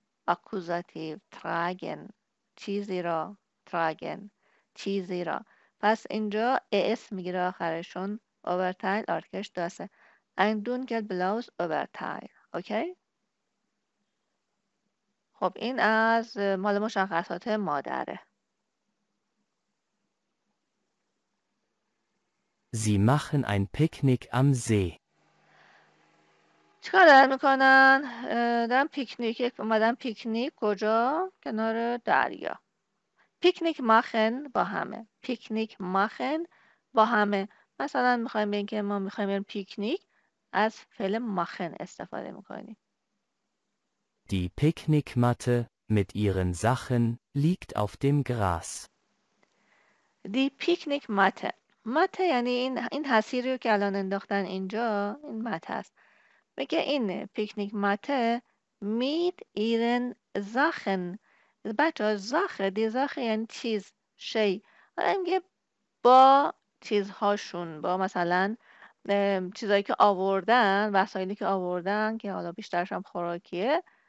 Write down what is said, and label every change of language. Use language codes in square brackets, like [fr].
[fa] accusative tragen چیزی را tragen چیزی را پس اینجا اس میگیره آخرشون اوورتایل آرتیکلش داسه [de] ein dunkel blaues oberteil [fa] اوکی خب این از مال مشخصات مادره [de] sie machen ein picnic am see [fa] چیکار دارن میکنن؟ دارن پیکنیک اومدن پیکنیک کجا؟ کنار دریا پیکنیک ماخن با همه پیکنیک ماخن با همه مثلا میخواییم بگیم که ما میخواییم بریم پیکنیک از فعل ماخن استفاده میکنیم [de] Die Picknickmatte mit ihren Sachen liegt auf dem Gras. Die Picknickmatte. [fa] Matte یعنی این حسیری که الان انداختن اینجا این matte است. میگه این [de] پیکنیک ماته میت ایرن زاخن [fa] بچه ها زاخه دی زاخه یعنی چیز شی حالا میگه با چیزهاشون با مثلا چیزهایی که آوردن وسایلی که آوردن که حالا بیشترش هم خوراکیه